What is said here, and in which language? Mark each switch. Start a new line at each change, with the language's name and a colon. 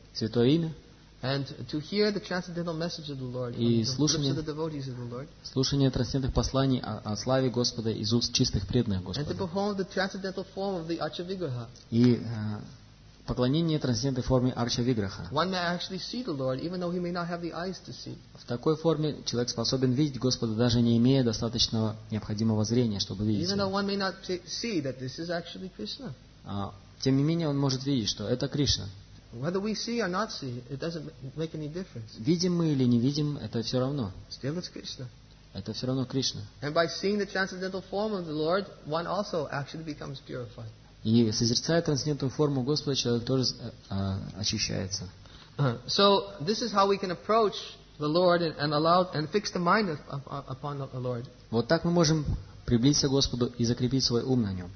Russian: святое имя.
English: And to hear the transcendental message of the Lord,
Russian: и слушание,
English: the devotees of the Lord,
Russian: слушание трансцендентных посланий о славе Господа из уст чистых преданных Господа.
English: And to behold the transcendental form of the Archa-Vigraha.
Russian: И поклонение трансцендентной форме Арча-Виграха.
English: One may actually see the Lord, even though he may not have the eyes to see.
Russian: В такой форме человек способен видеть Господа, даже не имея достаточного необходимого зрения, чтобы видеть Его.
English: Even though one may not see that this is actually Krishna.
Russian: Тем не менее он может видеть, что это Кришна.
English: Whether we see or not see, it doesn't make any difference.
Russian: Видим мы или не видим, это все равно.
English: Still, it's Krishna.
Russian: Это все равно Кришна.
English: And by seeing the transcendental form of the Lord, one also actually becomes purified.
Russian: И созерцая трансцендентную форму Господа, человек тоже очищается.
English: So this is how we can approach the Lord and allow and fix the mind upon the Lord.
Russian: Вот так мы можем приблизиться к Господу и закрепить свой ум на нем.